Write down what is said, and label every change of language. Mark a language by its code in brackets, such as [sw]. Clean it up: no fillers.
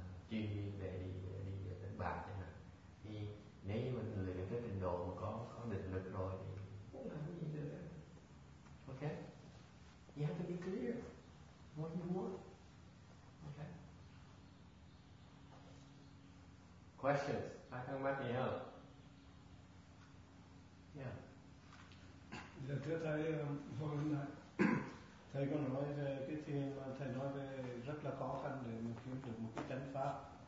[vi] chuyên viên để đi đi đánh bạc chẳng hạn, thì nếu như mình luyện tới trình độ mà có định lực rồi thì cũng làm gì được. [en] Ok, you have to be clear what you want. Ok, questions, [vi] ai thắc mắc gì không? Yeah. Dạ thưa thầy, hồi nãy thầy có nói về cái thiền, thầy nói về rất là khó khăn để mà kiếm được một cái chánh pháp.